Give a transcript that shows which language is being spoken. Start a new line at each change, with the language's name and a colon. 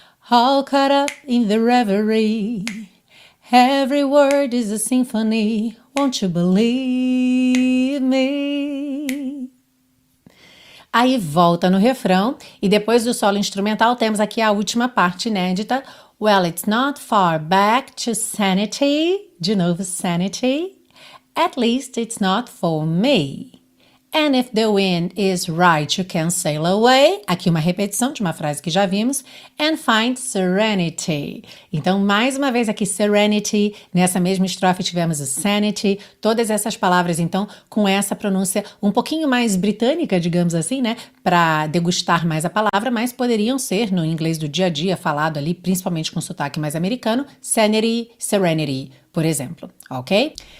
English: All caught up in the reverie. Every word is a symphony. Won't you believe me?
Portuguese: Aí volta no refrão e depois do solo instrumental temos aqui a última parte inédita.
English: Well, it's not far back to sanity. De novo, sanity. At least it's not for me. And if the wind is right, you can sail away.
Portuguese: Aqui uma repetição de uma frase que já vimos. And find serenity. Então, mais uma vez aqui, serenity. Nessa mesma estrofe tivemos o sanity. Todas essas palavras, então, com essa pronúncia um pouquinho mais britânica, digamos assim, né? Para degustar mais a palavra, mas poderiam ser no inglês do dia a dia, falado ali, principalmente com sotaque mais americano, sanity, serenity, por exemplo. Ok?